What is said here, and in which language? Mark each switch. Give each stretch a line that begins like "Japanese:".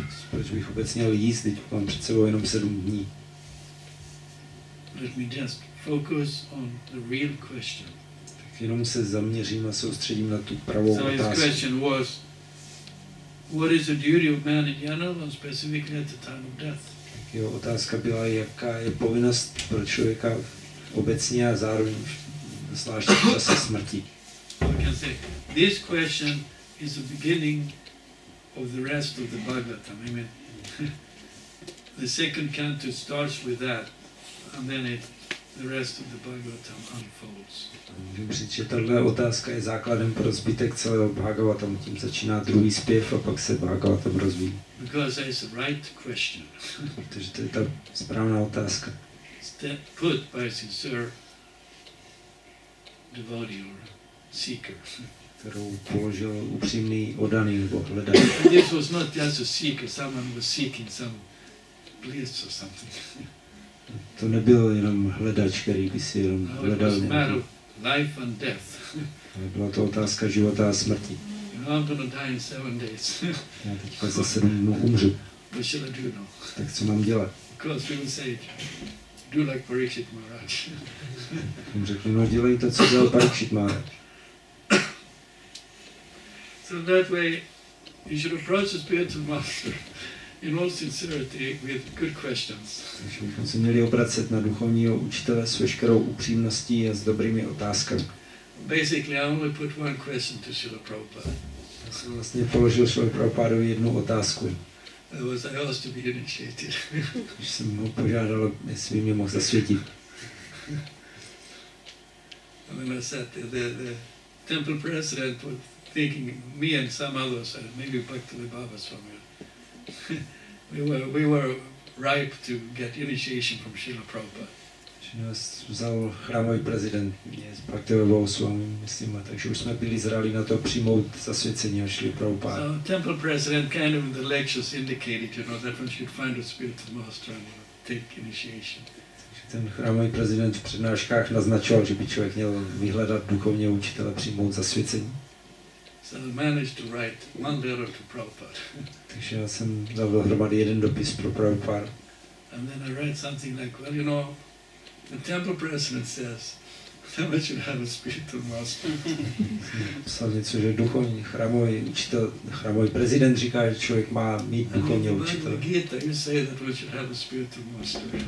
Czech: Proč bych vůbec měl jíst, teď mám před sebou jenom 7 dní.
English: Let me just focus on the real question.
Czech: Tak jenom se zaměřím a soustředím na tu pravou otázku.
English: So his question was, what is the duty of man in general and specifically at the time of death?
Czech: Tak jeho otázka byla, jaká je povinnost pro člověka obecně a zároveň zvláště v čase smrti.
English: So I can say, this question is the beginning of the rest of the Bhagavatam. I mean, the second canto starts with that and then the rest of the Bhagavatam unfolds.
Czech: Můžu říct, že tato otázka je základem pro zbytek celého Bhagavatam. Tím začíná druhý zpěv a pak se Bhagavatam rozvíjí.
English: Because it's the right question.
Czech: Protože to je ta správná otázka.
English: Step put by a sincere devotee or seeker.
Czech: Kterou položil upřímný oddaný nebo hledaný.
English: And this was not just a seeker, someone was seeking some bliss or something.
Czech: To nebyl jenom hledač, který by si jenom hledal.
English: No, it was matter of life and death.
Czech: Byla to otázka života a smrti.
English: You know, I'm gonna die in 7 days.
Czech: Já teďka za 7 dnů umřu.
English: What shall I do now?
Czech: Tak co mám dělat?
English: Of course, we will say, do like Parikshit Maharaj.
Czech: On řekl, no dělej to, co dělal Parikshit Maharaj.
English: So that way, you should approach the spiritual master in all sincerity with good questions.
Czech: Takže bychom se měli obracet na duchovního učitele s veškerou upřímností a s dobrými otázkami.
English: Basically, I only put one question to Srila Prabhupada.
Czech: Já jsem vlastně položil Srila Prabhupádovi jednu otázku.
English: It was I asked to be initiated.
Czech: Když jsem ho požádal, jestli mě mohl zasvětit.
English: And then I said the temple president was thinking me and some others and maybe Bhaktivinoda Baba Swami. We were ripe to get initiation from Srila Prabhupada.
Czech: Že nás vzal chrámový prezident mě s Bhaktivinoda Baba Swami, myslím, a takže už jsme byli zralí na to přijmout zasvěcení a Srila Prabhupada.
English: So temple president kind of in the lectures indicated, you know, that one should find a spiritual master and take initiation.
Czech: Ten chrámový prezident v přednáškách naznačoval, že by člověk měl vyhledat duchovního učitele, přijmout zasvěcení.
English: So I managed to write one letter to Prabhupada.
Czech: Takže já jsem dal dohromady jeden dopis pro Prabhupada.
English: And then I write something like, well, you know, the temple president says that we should have a spiritual master.
Czech: Psal něco, že duchovní chrámový učitel, chrámový prezident říká, že člověk má mít duchovní učitele.
English: Gita, you say that we should have a spiritual master.